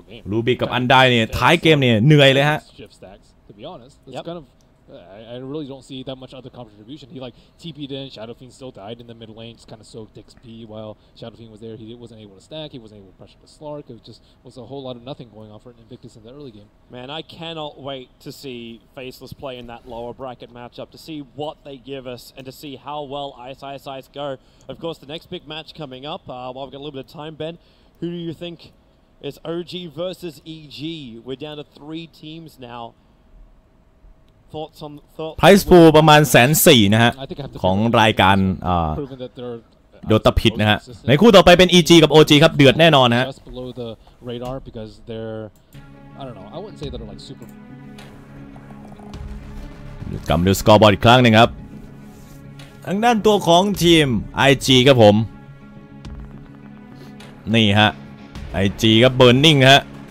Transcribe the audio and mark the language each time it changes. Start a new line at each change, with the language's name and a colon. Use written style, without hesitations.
Thai: รูบิกกับอันไดเนี่ยท้ายเกมเนี่ยเหนื่อยเลยฮะ
English: I really don't see that much other contribution. He like TP'd in, Shadow Fiend still died in the mid lane, just kind of soaked XP while Shadow Fiend was there. He wasn't able to stack, he wasn't able to pressure the Slark. It just was a whole lot of nothing going on for Invictus in the early game. Man, I cannot wait to see Faceless play in that lower bracket matchup to see what they give us and to see how well ICE go. Of course, the next big match coming up, while we've got a little bit of time, Ben, who do you think is OG versus EG? We're down to 3 teams now.
Thai: Price pool ประมาณ 1,400,000 นะฮะของรายการโดตาพิดนะฮะในคู่ต่อไปเป็น EG กับ OG ครับเดือดแน่นอนฮะกำลังดูสกอร์บอร์ดอีกครั้งนึงครับทางด้านตัวของทีม IG ครับผมนี่ฮะ IG ครับเบิร์นนิ่งฮะ